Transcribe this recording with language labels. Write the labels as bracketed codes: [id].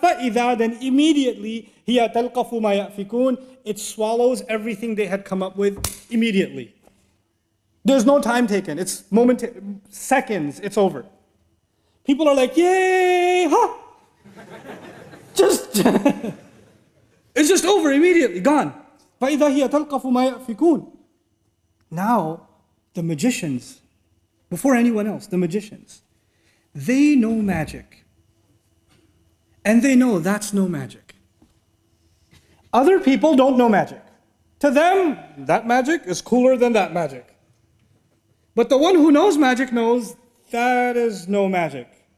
[ar] فَإِذَا [en] Then immediately, [ar] هِيَ تَلْقَفُ مَا يَأْفِكُونَ [en] It swallows everything they had come up with immediately. There's no time taken. It's seconds. It's over. People are like, yay, ha! Just, it's just over immediately. Gone. [ar] فَإِذَا هِيَ تَلْقَفُ مَا يَأْفِكُونَ [en] Now, the magicians... Before anyone else, the magicians, they know magic. And they know that's no magic. Other people don't know magic. To them, that magic is cooler than that magic. But the one who knows magic knows that is no magic.